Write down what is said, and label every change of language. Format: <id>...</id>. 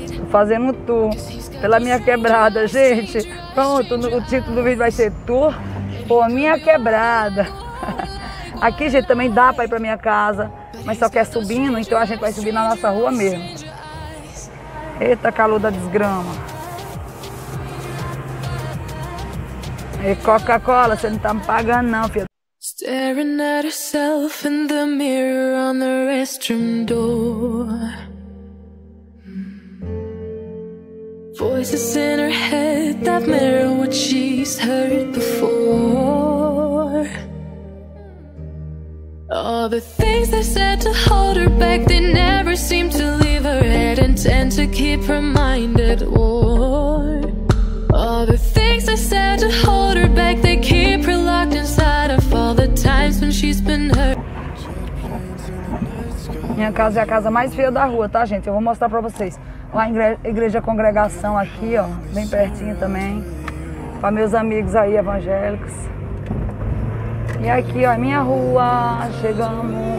<pt>Fazendo um tour pela minha quebrada, gente. Pronto, o título do vídeo vai ser Tour por Minha Quebrada. Aqui, gente, também dá pra ir pra minha casa, mas só que é subindo, então a gente vai subir na nossa rua mesmo. Eita, calor da desgrama. E Coca-Cola, você não tá me pagando não, filho.</pt> <en>Staring at herself in the mirror on the restroom door. Voices in her head that mirror what she's heard before. All the things they said to hold her back, they never seem to leave her head and tend to keep her mind at war. All the things I said to hold her back, they keep her locked inside of all the times when she's been hurt.</en> <pt>Minha casa é a casa mais feia da rua, tá, gente? Eu vou mostrar pra vocês. Lá a igreja congregação aqui, ó, bem pertinho também. Pra meus amigos aí evangélicos. E aqui, ó, minha rua, chegamos.</pt>